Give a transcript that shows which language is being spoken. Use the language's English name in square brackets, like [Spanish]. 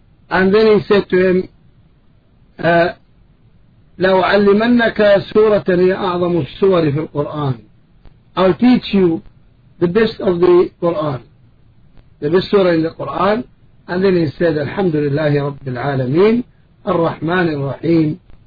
[English] And then he said to him, [Arabic] لو علمنك سورة هي أعظم السور في القرآن. [English] I'll teach you the best of the Quran, the best surah in the Quran. And then he said, [Arabic] الحمد لله رب العالمين الرحمن الرحيم.